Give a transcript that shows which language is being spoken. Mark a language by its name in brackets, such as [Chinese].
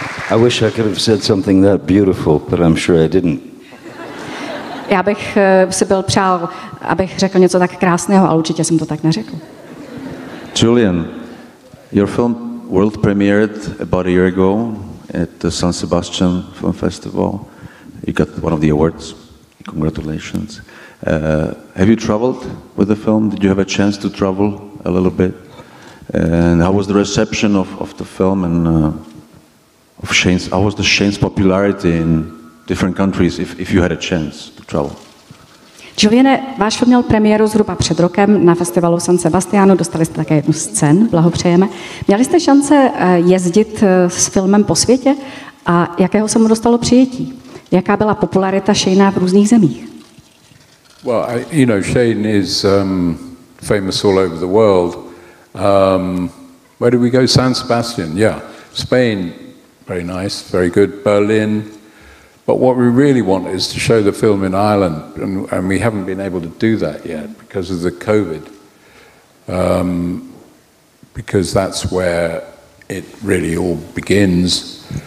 [English] I wish I could have said something that beautiful, but I'm sure I didn't. [Czech] Já bych si byl přál, abych řekl něco tak krásného, ale určitě jsem to tak neřekl. [English] Julian, your film world premiered about a year ago at the San Sebastian Film Festival. You got one of the awards. Congratulations. Have you traveled with the film? Did you have a chance to travel a little bit? And how was the reception of the film and of Shane's, how was the Shane's popularity in different countries if you had a chance to travel? [Czech] Juliane, váš film měl premiéru zhruba před rokem na festivalu San Sebastiánu, dostali jste také jednu z cen, blahopřejeme. Měli jste šance jezdit s filmem po světě a jakého se mu dostalo přijetí? Jaká byla popularita Shane v různých zemích? [English] Well, Shane is famous all over the world. Where did we go? San Sebastian, yeah. Spain, very nice, very good. Berlin. But what we really want is to show the film in Ireland, and we haven't been able to do that yet because of the COVID, because that's where it really all begins.